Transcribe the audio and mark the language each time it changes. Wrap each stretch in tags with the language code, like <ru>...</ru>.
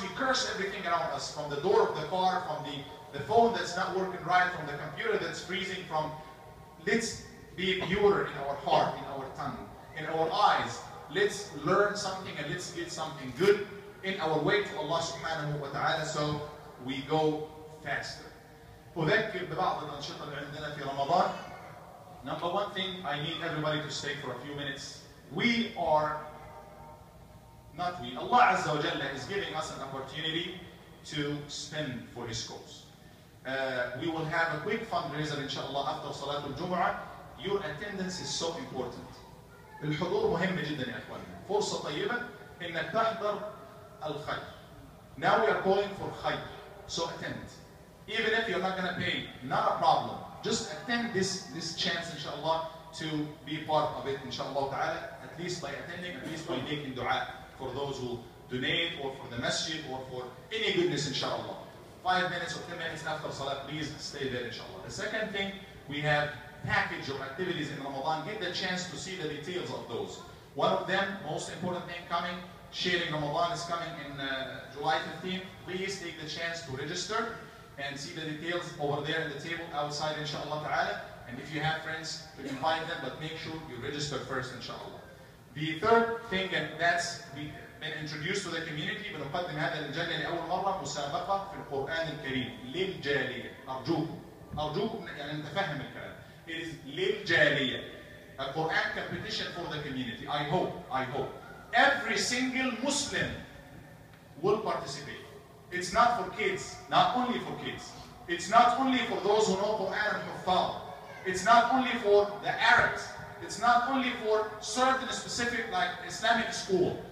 <en>We curse everything around us, from the door of the car, from the phone that's not working right, from the computer that's freezing, from... Let's be purer in our heart, in our tongue, in our eyes. Let's learn something and let's get something good in our way to Allah subhanahu wa ta'ala, so we go faster.</en> <ar>أذكر ببعض الأنشطة اللي عندنا في رمضان.</ar> <en>Number one thing, I need everybody to stay for a few minutes. We are, not we, Allah Azza wa Jalla is giving us an opportunity to spend for His cause. We will have a quick fundraiser inshallah after Salatul Jumu'ah. Your attendance is so important.</en> <ar>الحضور مهم جدا يا أخواني. فرصة طيبة إنك تحضر الخير.</ar> <en>Now we are calling for خير. So attend. Even if you're not going to pay, not a problem. Just attend this chance, inshallah, to be part of it, inshallah ta'ala, at least by attending, at least by making dua for those who donate or for the masjid or for any goodness, inshallah. 5 minutes or 10 minutes after salah, please stay there, inshallah. The second thing, we have package of activities in Ramadan. Get the chance to see the details of those. One of them, most important thing coming, sharing Ramadan is coming in July 15th. Please take the chance to register and see the details over there at the table outside, inshallah ta'ala. And if you have friends, you can find them, but make sure you register first, inshallah. The third thing, and that's been introduced to the community,</en> <ar>بنقدم هذا الجنة لأول مرة مسابقة في القرآن الكريم للجالية. أرجوكم يعني نتفهم الكلام.</ar> <en>It is</en> <ar>للجالية.</ar> <en>A Quran competition for the community. I hope. Every single Muslim will participate. It's not for kids, not only for kids. It's not only for those who know Quran and Huffaz. It's not only for the Arabs. It's not only for certain specific like Islamic school.</en>